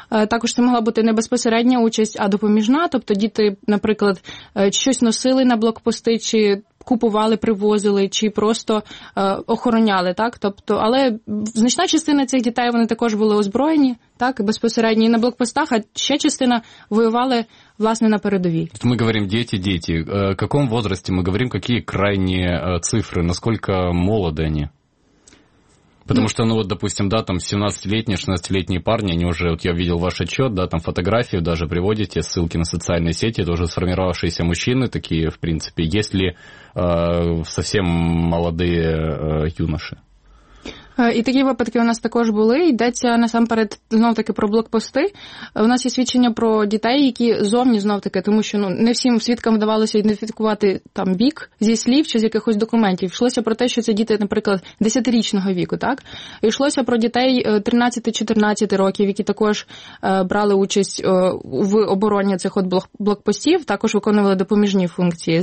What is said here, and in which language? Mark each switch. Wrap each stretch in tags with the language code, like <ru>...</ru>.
<uk>Також це могла бути не безпосередня участь, а допоміжна. Тобто діти, наприклад, щось носили на блокпости чи купували, привозили чи просто охороняли, так? Тобто, але значна частина цих дітей, вони також були озброєні, так, безпосередньо на блокпостах, а ще частина воювали власне на передовій. Ми говоримо діти. В якому віці ми говоримо, які крайні цифри, наскільки молоді вони?</uk> <ru>Потому что, ну вот, допустим, да, там 17-летние, 16-летние парни, они уже, вот я видел ваш отчет, да, там фотографии даже приводите, ссылки на социальные сети, это уже сформировавшиеся мужчины такие, в принципе, есть ли совсем молодые юноши?</ru> <uk>І такі випадки у нас також були. Йдеться насамперед, знов-таки, про блокпости. У нас є свідчення про дітей, які зовні, знов-таки, тому що ну не всім свідкам вдавалося ідентифікувати там вік зі слів чи з якихось документів. Йшлося про те, що це діти, наприклад, 10-річного віку, так? Йшлося про дітей 13-14 років, які також брали участь в обороні цих от блокпостів, також виконували допоміжні функції.</uk>